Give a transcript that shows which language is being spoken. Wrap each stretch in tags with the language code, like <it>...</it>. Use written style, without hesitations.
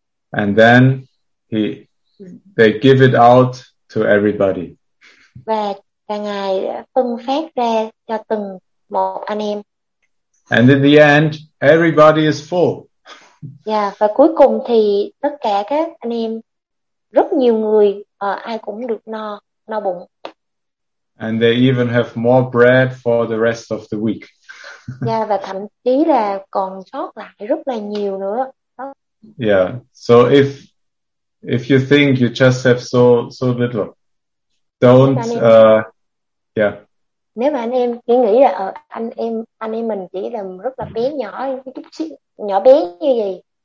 <en>And then they give it out to everybody.</en> <vi>Và Ngài phân phát ra cho từng một anh em.</vi> <en>And in the end, everybody is full.</en> <vi>Yeah, và cuối cùng thì tất cả các anh em, rất nhiều người, ai cũng được no bụng.</vi> <en>And they even have more bread for the rest of the week.</en> <vi>Yeah, và thậm chí là còn sót lại rất là nhiều nữa.</vi> <en>Yeah, so if you think you just have so little, don't</en> <vi>Nếu mà anh em chỉ nghĩ là anh em mình chỉ là rất là bé nhỏ, chút xíu nhỏ bé như vậy.</vi>